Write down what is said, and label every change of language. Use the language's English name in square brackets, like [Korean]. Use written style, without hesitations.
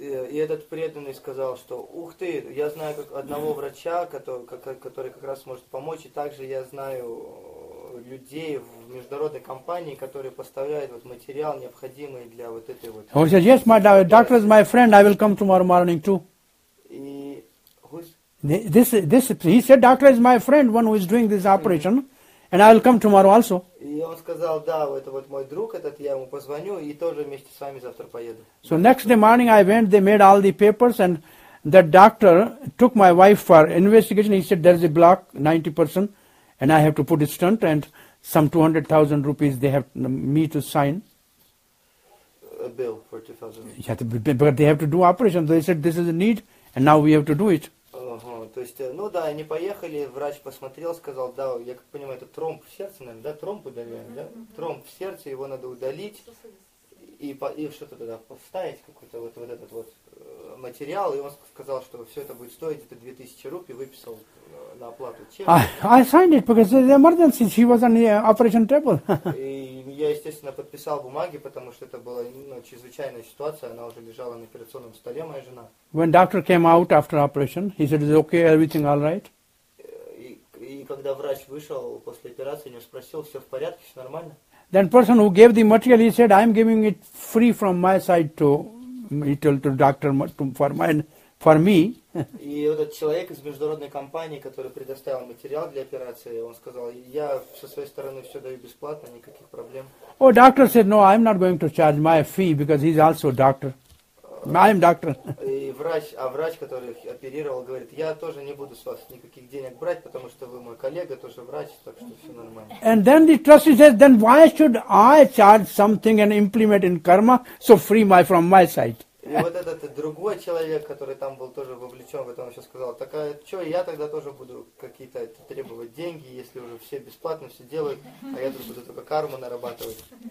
[Russian] и этот преданный сказал, что ух ты, я знаю как одного врача, который как раз может помочь, и также я знаю людей в международной компании, которые поставляют вот материал необходимый для вот этой вот. Он сказал, [English] yes, my doctor is my friend, I will come tomorrow morning too. [Russian] И [English] He said, doctor is my friend, one who is doing this operation, and I will come tomorrow also. [Russian] И он сказал, да, это вот мой друг этот, я ему позвоню и тоже вместе с вами завтра поеду. [English] So next day morning I went, they made all the papers and the doctor took my wife for investigation. He said, there is a block, 90%, and I have to put a stent and some 200,000 rupees they have me to sign. A bill for 2,000. Yeah, but they have to do operation. They said, this is a need and now we have to do it. [Russian] То есть, ну да, они поехали, врач посмотрел, сказал, да, я как понимаю, это тромб в сердце, наверное, да, тромб удаляем, да? Тромб в сердце, его надо удалить и что-то туда поставить, какой-то вот этот вот материал. И он сказал, что все это будет стоить, это 2000 рупий, выписал на оплату чек. [English] I signed it, because the emergency, she was on the operation table. [Russian] И я, естественно, подписал бумаги, потому что это была, ну, чрезвычайная ситуация, она уже лежала на операционном столе, моя жена. [English] When doctor came out after operation, he said, it's okay, everything all right. [Russian] И когда врач вышел после операции, он спросил, все в порядке, все нормально. [English] Then person who gave the material, he said, I'm giving it free from my side to... He told the doctor for me. [Russian] И этот человек из международной компании, который предоставил материал для операции, он сказал, я со своей стороны все даю бесплатно, никаких проблем. [English] Oh, doctor said, no, I'm not going to charge my fee because he's also a doctor. I'm doctor. [Russian] И врач, который оперировал, говорит, я тоже не буду с вас никаких денег брать, потому что вы мой коллега, тоже врач, так что все нормально. [English] And then the trustee says, then why should I charge something and implement in karma, so free my from my side? [Russian] И вот этот другой человек, который там был тоже вовлечен в этом, еще сказал, так а что, я тогда тоже буду какие-то требовать деньги, если уже все бесплатно все делают, а я тут буду только карму нарабатывать.